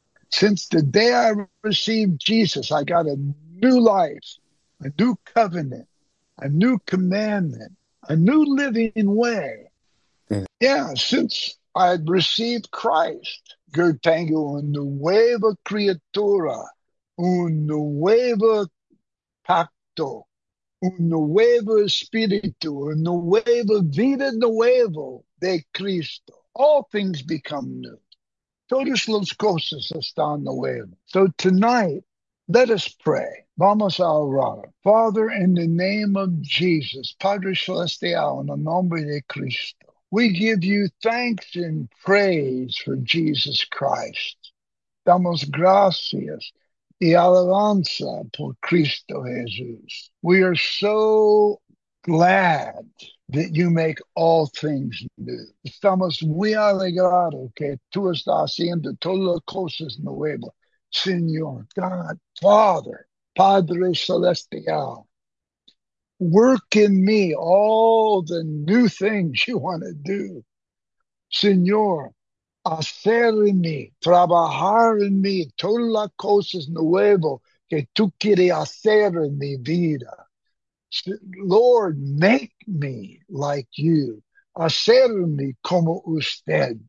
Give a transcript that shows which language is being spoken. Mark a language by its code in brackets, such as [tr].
[en] Since the day I received Jesus, I got a new life, a new covenant, a new commandment, a new living way. Yeah, since I had received Christ, [es] yo tengo una nueva criatura, un nuevo pacto, un nuevo espíritu, una nueva vida, nuevo de Cristo. [en] All things become new. [es] Todas las cosas están nuevas. [en] So tonight, let us pray. [es] Vamos a orar. [en] Father, in the name of Jesus, [es] Padre Celestial, en el nombre de Cristo, [en] we give you thanks and praise for Jesus Christ. [es] Damos gracias y alabanza por Cristo Jesús. [en] We are so glad that you make all things new. [es] Estamos muy alegrados que tú estás haciendo todas las cosas nuevas. [en] Señor, God, Father, [es] Padre Celestial, [en] work in me all the new things you want to do. [es] Señor, hacer en mí, trabajar en mí todas las cosas nuevas que tú quieres hacer en mi vida. [en] Lord, make me like you. [es] Hacerme como usted.